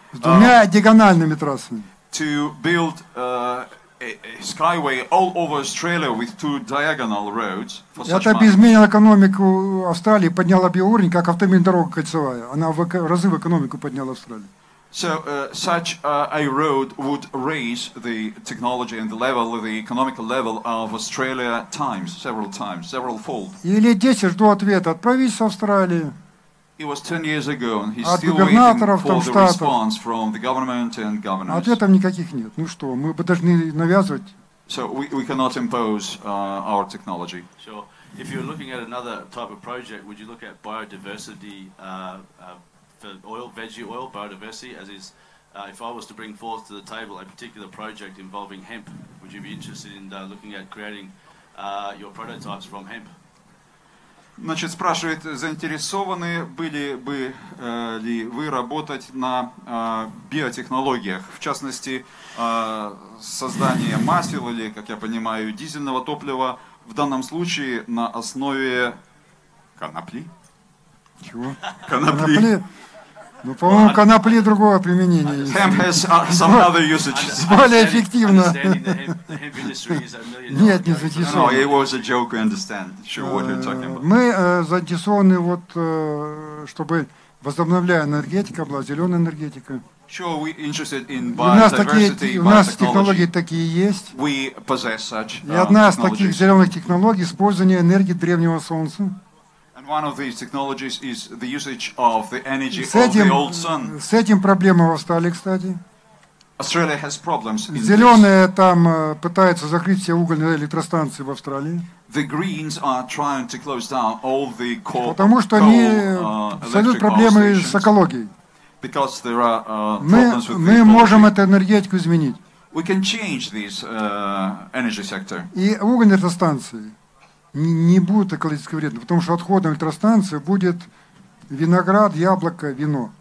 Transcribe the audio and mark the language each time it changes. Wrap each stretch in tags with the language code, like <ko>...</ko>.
<ru>С двумя диагональными трассами.</ru> <en>To build a skyway all over Australia with two diagonal roads for such money.</en> <ru>Это изменило экономику Австралии, подняло бы уровень, как автомобильная дорога кольцевая. Она в разы в экономику подняла Австралию.</ru> <en>So such a road would raise the technology and the level, the economical level of Australia times, several fold.</en> <ru>Или 10 жду ответа от правительства Австралии.</ru> <en>It was 10 years ago, and he's still waiting for the response from the government and governors.</en> <ru>Ответов никаких нет. Ну что, мы должны навязывать?</ru> <en>So we cannot impose our technology. So if you're looking at another type of project, would you look at biodiversity? For oil, veggie oil, biodiversity, as is, if I was to bring forth to the table a particular project involving hemp, would you be interested in looking at creating your prototypes from hemp?</en> <ru>Значит, спрашивает, заинтересованы были бы ли вы работать на биотехнологиях, в частности, создание масел или, как я понимаю, дизельного топлива, в данном случае на основе конопли? Чего? Конопли. Ну, по-моему,</ru> <en>well,</en> <ru>конопли другого применения.</ru> <en>Hemp has some other usages.</en> <ru>Более эффективно. Нет, не заинтересованы.</ru> <en>No, it was a joke, I understand. Sure, what you're talking about.</en> <ru>Мы заинтересованы, вот, чтобы возобновляя энергетика, была зеленая энергетика.</ru> <en>Sure, we're interested in biodiversity,</en> <ru>у нас технологии такие есть.</ru> <en>We possess such</en> <ru>И одна из таких зеленых технологий — использование энергии древнего солнца.</ru> <en>One of these technologies is the usage of the energy of the old sun.</en> <ru>С этим проблемы в Австралии, кстати.</ru> <en>Australia has problems.</en> <ru>Зеленые там пытаются закрыть все угольные электростанции в Австралии.</ru> <en>The Greens are trying to close down all the coal.</en> <ru>Потому что они создают проблемы с экологией.</ru> <en>Because there are problems with the.</en> <ru>Мы можем эту энергетику изменить.</ru> <en>We can change this energy sector.</en> <ru>И угольные электростанции. Не будет экологически вредно, потому что отходом электростанции будет виноград, яблоко, вино.</ru>